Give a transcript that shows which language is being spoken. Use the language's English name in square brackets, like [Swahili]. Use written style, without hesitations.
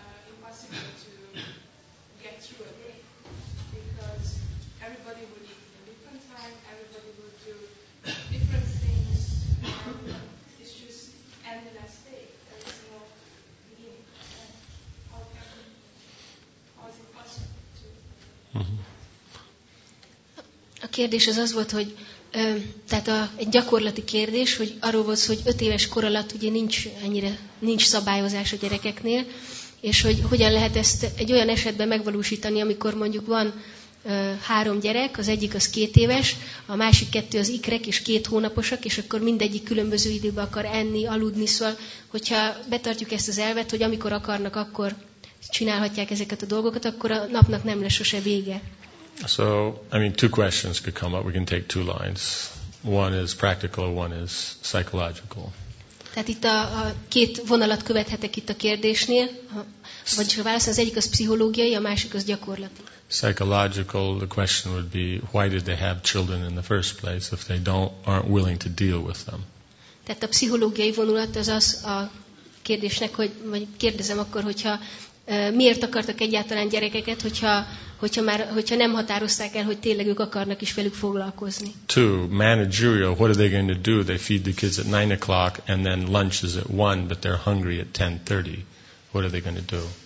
[English] Impossible to get through a day because everybody would eat at a different time, everybody would do different things. It's just endless day. There is no beginning. How can we, how is it possible to? Mm-hmm. [Hungarian] kérdés az az volt, hogy tehát egy gyakorlati kérdés, hogy arról volt, hogy 5 éves kor alatt ugye nincs szabályozás a gyerekeknél, és hogy hogyan lehet ezt egy olyan esetben megvalósítani, amikor mondjuk van 3 gyerek, az egyik az 2 éves, a másik 2 az ikrek és 2 hónaposak, és akkor mindegyik különböző időben akar enni, aludni, szóval, hogyha betartjuk ezt az elvet, hogy amikor akarnak, akkor csinálhatják ezeket a dolgokat, akkor a napnak nem lesz sose vége. [English] So, I mean, 2 questions could come up. We can take 2 lines. One is practical, one is psychological. [Hungarian] Tehát itt a 2 vonalat követhetek itt a kérdésnél, vagyis a válasz az egyik az pszichológiai, a másik az gyakorlati. [English] Psychological, the question would be, why did they have children in the first place if they aren't willing to deal with them? [Hungarian] Tehát a pszichológiai vonulat az az a kérdésnek, hogy vagy kérdezem akkor, hogyha miért akartak egyáltalán gyerekeket, hogyha nem határozták el, hogy tényleg ők akarnak is velük foglalkozni. [English] 2. Managerial. What are they going to do? They feed the kids at 9 o'clock and then lunch is at 1, but they're hungry at 10:30. What are they going to do?